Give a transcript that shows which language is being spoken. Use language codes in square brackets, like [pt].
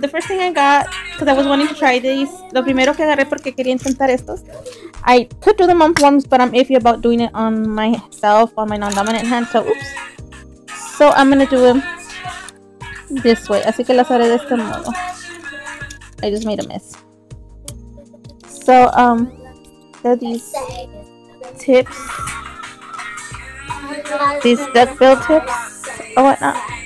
[en] The first thing I got, because I was wanting to try these. [es] Lo primero que agarré porque quería intentar estos. [en] I could do them on plums, but I'm iffy about doing it on myself, on my non-dominant hand. So, oops. So, I'm going to do them this way. [es] Así que las haré de este modo. [en] I just made a mess. So, they're these tips, these duckbill tips, or whatnot.